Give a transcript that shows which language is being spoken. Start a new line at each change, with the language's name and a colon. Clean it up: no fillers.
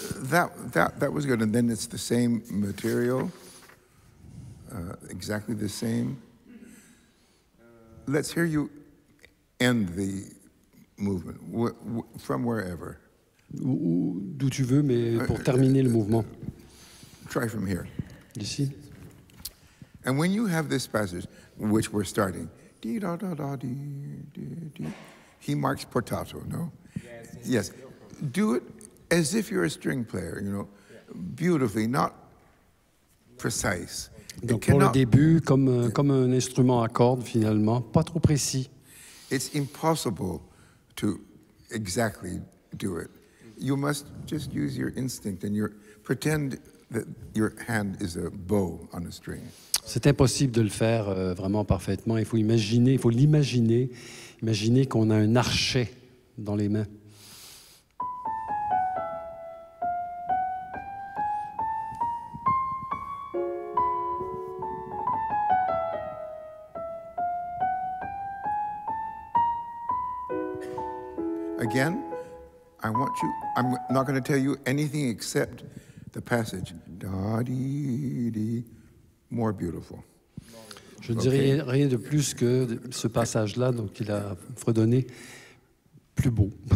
English: That was good. And then it's the same material, exactly the same. Let's hear you end the movement from wherever.
French: D'où tu veux, mais pour terminer le mouvement.
English: Try from here.
French: D'ici.
English: And when you have this passage, which we're starting, dee da da da dee, he marks portato, no? Yes. Yes. Do it as if you're a string player, you know, yeah. Beautifully, not precise.
French: Donc pour le début, comme un instrument à cordes, finalement, pas trop précis.
English: It's impossible to exactly do it. You must just use your instinct and pretend that your hand is a bow on a string.
French: C'est impossible de le faire vraiment parfaitement. Il faut l'imaginer. Imaginer qu'on a un archet dans les mains.
English: Again, I want you. I'm not going to tell you anything except the passage da di di more beautiful.
French: Je ne dirais rien de plus que ce passage-là, donc il a fredonné plus beau.